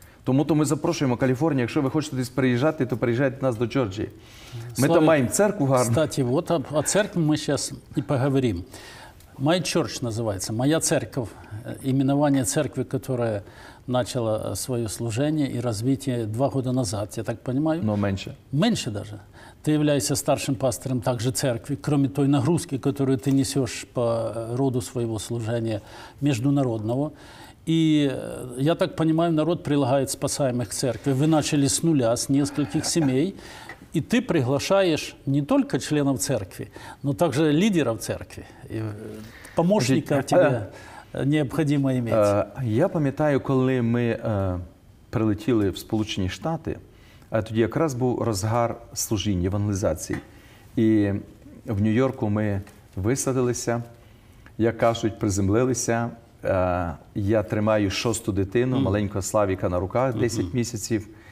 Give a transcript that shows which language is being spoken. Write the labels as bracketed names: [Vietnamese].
[Ukrainian] Тому-то ми запрошуємо Каліфорнію, якщо ви хочете десь приїжджати, то приїжджайте до нас до Джорджії. Ми там маємо церкву гарну. Кстати, от о церкві ми зараз і поговоримо. «My Church» називається, «Моя церква», іменування церкви, яка почала своє служення і розвиття 2 роки назад, я так розумію. Ну, менше. Менше навіть. [Russian] Ты являешься старшим пастором также церкви, кроме той нагрузки, которую ты несешь по роду своего служения международного. И я так понимаю, народ прилагает спасаемых к церкви. Вы начали с нуля, с нескольких семей, и ты приглашаешь не только членов церкви, но также лидеров церкви, помощников тебе необходимо иметь. Я помню, когда мы прилетели в [Ukrainian] Сполучені Штати, а тоді якраз був розгар служінь, евангелізації. І в Нью-Йорку ми висадилися, як кажуть, приземлилися. Я тримаю 6-ту дитину, маленького Славіка на руках, 10 місяців.